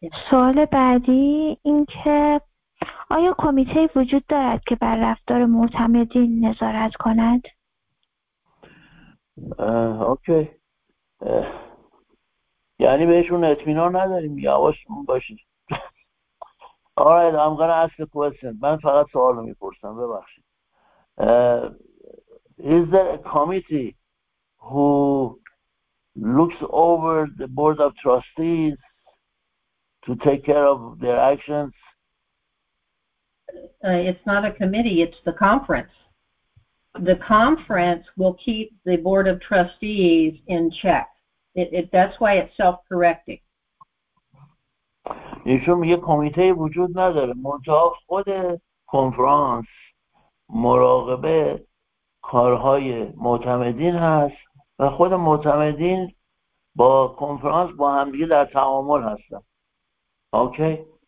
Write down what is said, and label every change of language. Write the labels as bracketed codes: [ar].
[fa] سوال بعدی این که آیا کمیته وجود دارد که بر رفتار معتمدین نظارت کند؟ اوکی. یعنی بهشون اطمینان نداریم، یواش باشید. [en] آراید، I'm gonna ask a question. [fa] من فقط سوال رو میپرسم، ببخشید. [en] Is there a committee who looks over the board of trustees to take care of their actions? It's not a committee, it's the conference. The conference will keep the board of trustees in check. That's why it's self-correcting. [fa] ایشون میگه کمیته وجود نداره، منتها خود کنفرانس مراقبه کارهای معتمدین هست و خود معتمدین با کنفرانس با همدیگه در تعامل هستن. اوکی.